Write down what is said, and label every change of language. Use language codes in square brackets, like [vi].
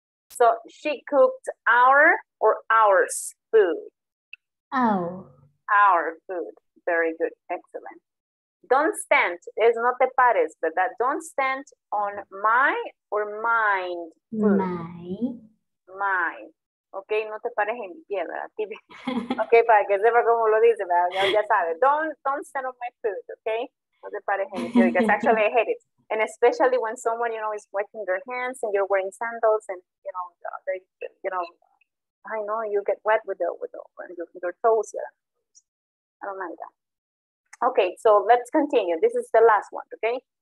[en] So she cooked our or ours food? Our. Our food. Very good. Excellent. Don't stand. [es] Es no te pares, [en] but that don't stand on my or mine food. My. My. [es] Ok, no te pares en mi pie, ¿verdad? Ok, para que sepa cómo lo dice, ¿verdad? Ya sabes. [en] Don't stand on my food, ok? [es] No te pares en mi pie, [en] because actually I hate it. And especially when someone, you know, is wiping their hands and you're wearing sandals and, you know, they, you know, I know you get wet with your toes, yeah. I don't like that. Okay, so let's continue. This is the last one, okay?